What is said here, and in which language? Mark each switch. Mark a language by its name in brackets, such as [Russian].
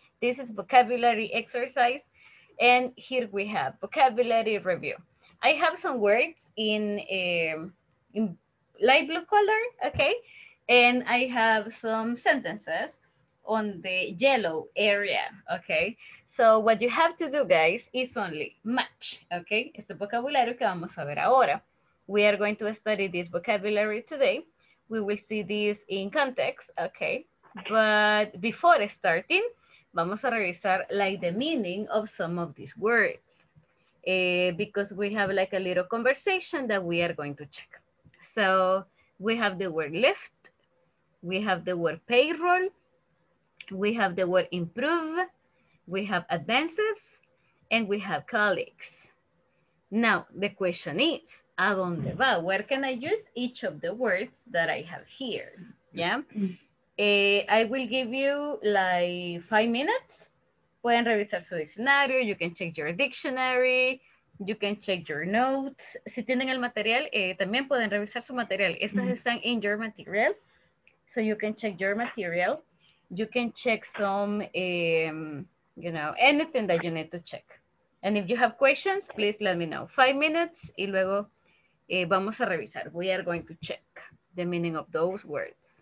[English] This is vocabulary exercise. And here we have vocabulary review. I have some words in light blue color, okay? And I have some sentences on the yellow area, okay? So what you have to do, guys, is only match, okay? [Spanish] Es el vocabulario que vamos a ver ahora. [English] We are going to study this vocabulary today. We will see this in context, okay? But before starting, [Spanish] vamos a revisar [English] like the meaning of some of these words because we have like a little conversation that we are going to check. So we have the word lift, we have the word payroll, we have the word improve, we have advances, and we have colleagues. Now, the question is, [Spanish] ¿a dónde va? [English] Where can I use each of the words that I have here? Yeah. I will give you like 5 minutes. [Spanish] Pueden revisar su diccionario. [English] You can check your dictionary. You can check your notes. [Spanish] Si tienen el material, también pueden revisar su material. Estas están [English] in your material. So you can check your material. You can check some, you know, anything that you need to check. And if you have questions, please let me know. 5 minutes [Spanish] y luego vamos a revisar. [English] We are going to check the meaning of those words.